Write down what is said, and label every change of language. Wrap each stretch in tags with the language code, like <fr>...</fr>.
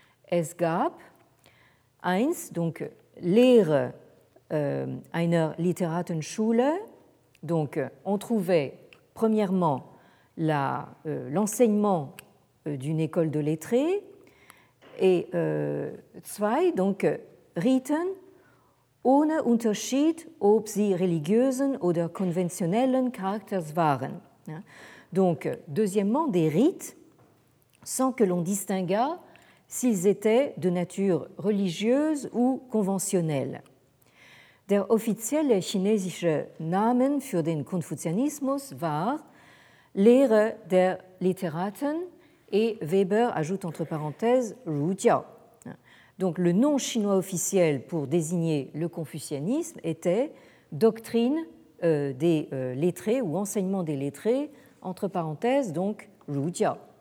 <de>Es gab eins,</de> <fr>donc</fr> <de>Lehre einer Literatenschule,</de> <fr>donc on trouvait premièrement l'enseignement d'une école de lettrés, et</fr> <de>zwei, donc Riten ohne Unterschied, ob sie religiösen oder konventionellen Charakters waren.</de> <fr>Donc, deuxièmement, des rites sans que l'on distinguât s'ils étaient de nature religieuse ou conventionnelle.</fr> <de>Der offizielle chinesische Name für den Konfuzianismus war Lehre der Literaten,</de> <fr>et Weber ajoute entre parenthèses Zhujiao. Donc le nom chinois officiel pour désigner le confucianisme était doctrine des lettrés ou enseignement des lettrés, entre parenthèses, donc Zhujiao.</fr>